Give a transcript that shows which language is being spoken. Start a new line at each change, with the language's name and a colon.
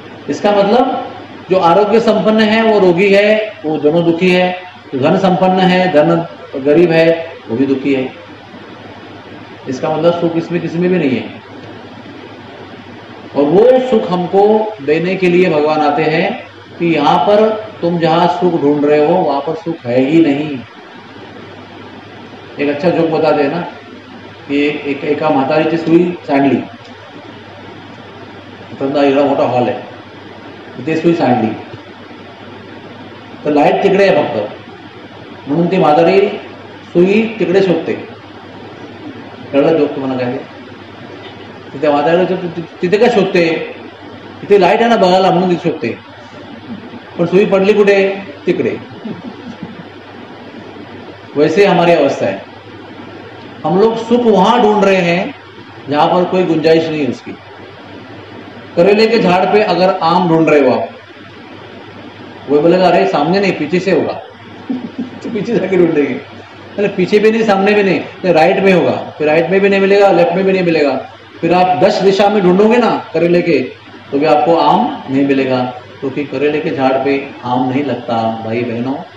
Hindi: इसका मतलब जो आरोग्य संपन्न है वो रोगी है, वो दोनों दुखी है, जो धन संपन्न है, धन गरीब है, वो भी दुखी है। इसका मतलब सुख इसमें किसी में भी नहीं है, और वो सुख हमको देने के लिए भगवान आते हैं कि यहां पर तुम जहां सुख ढूंढ रहे हो वहां पर सुख है ही नहीं। एक अच्छा जोक बता देना कि एक महतारी की सुई सांडली, इतना मोटा हॉल है,
Marathi: ते सुई सांडली तो लाइट तिकड़े है फक्त, म्हणून ती म्हातारी सुई तिकडे शोधते, कळलं जोक तुम्हाला काय, तिथे म्हातारीला तिथे काय शोधते, तिथे लाईट आहे ना बघायला म्हणून तिथे शोधते, पण सुई पडली कुठे, तिकडे।
Hindi: वैसे हमारी अवस्था है, हम लोग सुख वहां ढूंढ रहे हैं जहां पर कोई गुंजाइश नहीं है उसकी। करेले के झाड़ पे अगर आम ढूंढ रहे हो आप, वो बोलेगा अरे सामने नहीं पीछे से होगा, तो पीछे जाके ढूंढेंगे, अरे पीछे भी नहीं सामने भी नहीं, तो राइट में होगा, फिर राइट में भी नहीं मिलेगा, लेफ्ट में भी नहीं मिलेगा, फिर आप 10 दिशा में ढूंढोगे ना करेले के, तो भी आपको आम नहीं मिलेगा, क्योंकि करेले के झाड़ पे आम नहीं लगता भाई बहनों।